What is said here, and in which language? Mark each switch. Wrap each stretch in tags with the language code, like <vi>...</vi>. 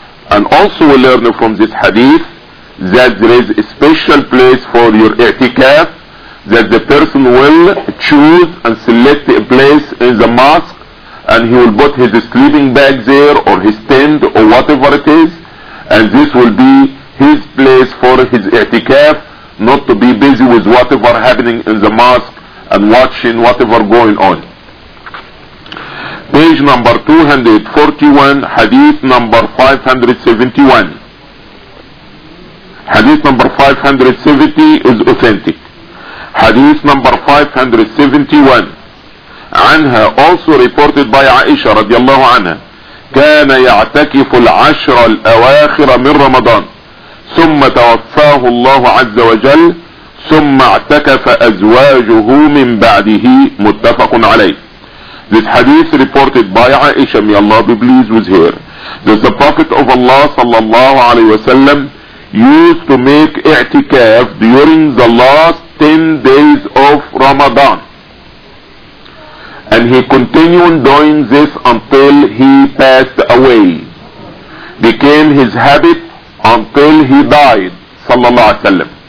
<en>And also we learn from this hadith that there is a special place for your i'tikaf, that the person will choose and select a place in the mosque, and he will put his sleeping bag there or his tent or whatever it is, and this will be his place for his i'tikaf, not to be busy with whatever happening in the mosque and watching whatever going on. Page number 241, hadith number 571. Hadith number 570 is authentic. Hadith number 571,</en> <ar>عنها,</ar> <en>also reported by Aisha radiallahu anha,</en> <ar>كان يعتكف العشر الأواخر من رمضان ثم توفاه الله عز وجل ثم اعتكف أزواجه من بعده متفق عليه.</ar> <en>This hadith reported by Aisha, may Allah be pleased with her, that the Prophet of Allah</en> <ar>sallallahu alayhi wa sallam</ar> <en>used to make i'tikaf during the last 10 days of Ramadan, and he continued doing this until he passed away, became his habit until he died sallallahu alayhi wa sallam.</en>